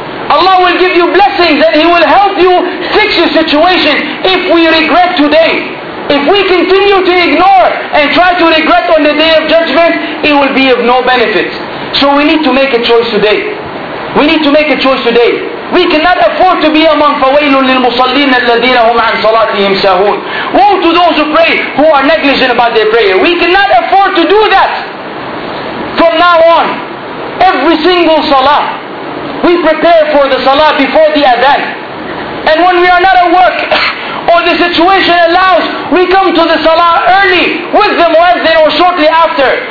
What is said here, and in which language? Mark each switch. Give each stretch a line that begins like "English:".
English: Allah will give you blessings and He will help you fix your situation if we regret today. If we continue to ignore and try to regret on the Day of Judgment, it will be of no benefit. So we need to make a choice today. We need to make a choice today. We cannot afford to be among
Arabic: فَوَيْلٌ لِلْمُصَلِّينَ الَّذِينَ هُمْ عَنْ صَلَاتِهِمْ سَاهُونَ.
English: Woe to those who pray who are negligent about their prayer. We cannot afford to do that. From now on, every single salah, we prepare for the salah before the adhan. And when we are not at work, or the situation allows, we come to the salah early, with the muezzin or shortly after.